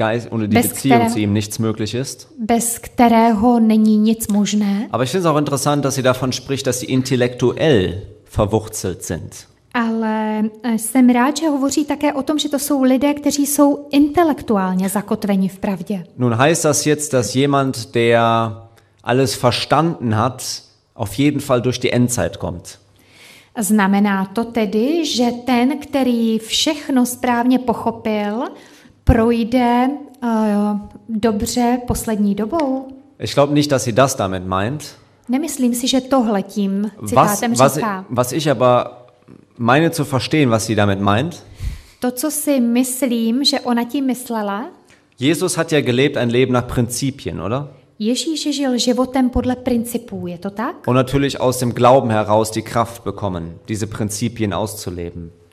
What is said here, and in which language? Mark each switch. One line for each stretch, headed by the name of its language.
German: Ohne die Beziehung zu ihm nichts möglich ist.
Czech: Bez kterého není nic možné.
German: Aber ich finde es auch interessant, dass sie davon spricht, dass sie intellektuell verwurzelt sind.
Czech: Ale jsem rád, že hovoří také o tom, že to jsou lidé, kteří jsou intelektuálně zakotveni v pravdě.
German: Nun heißt das jetzt, dass jemand, der alles verstanden hat, auf jeden Fall durch die Endzeit kommt.
Czech: Znamená to tedy, že ten, který všechno správně pochopil, projde dobře poslední dobou?
German: Ich glaube nicht, dass sie das damit meint.
Czech: Nemyslím si, že tohle tím citátem říká.
German: Was ich aber meine zu verstehen, was sie damit meint.
Czech: To, co si myslím, že ona tím myslela.
German: Jesus hat ja gelebt ein Leben nach Prinzipien, oder?
Czech: Ježíš žil životem podle principů, je to tak?
German: Und natürlich aus dem Glauben heraus die Kraft bekommen, diese Prinzipien auszuleben.